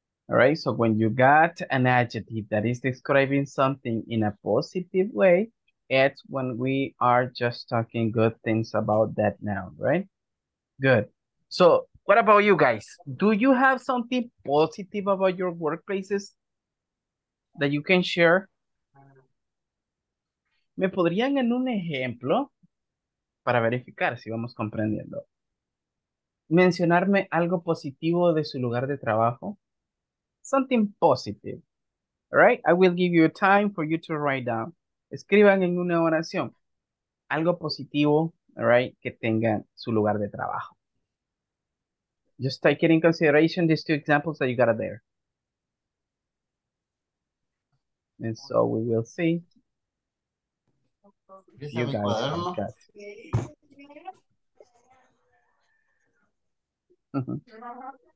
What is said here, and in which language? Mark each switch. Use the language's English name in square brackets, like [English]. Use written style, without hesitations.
[English] All right, so when you got an adjective that is describing something in a positive way, it's when we are just talking good things about that noun, right? Good. So, what about you guys? Do you have something positive about your workplaces that you can share? [Spanish] ¿Me podrían en un ejemplo para verificar si vamos comprendiendo? ¿Mencionarme algo positivo de su lugar de trabajo? [English] Something positive. All right? I will give you time for you to write down. [Spanish] Escriban en una oración algo positivo, all right, que tengan su lugar de trabajo. [English] Just take it in consideration, these two examples that you got there. And so we will see. You guys.